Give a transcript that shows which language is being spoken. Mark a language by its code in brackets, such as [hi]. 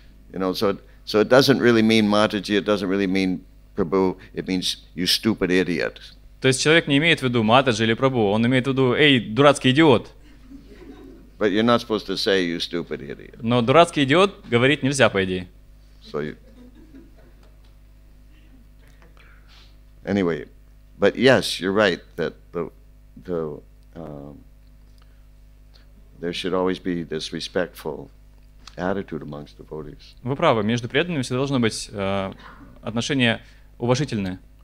[en] You know, so it doesn't really mean Mataji, it doesn't really mean Prabhu, it means you stupid idiot. [ru] То есть человек не имеет в виду Матаджи или Прабу, он имеет в виду, эй, дурацкий идиот. [en] But you're not supposed to say you stupid idiot. [ru] Но дурацкий идиот говорить нельзя, по идее. [en] So anyway, but yes, you're right that there should always be this respectful attitude amongst devotees. [ru] Вы правы, между преданными всегда должно быть отношение уважительное.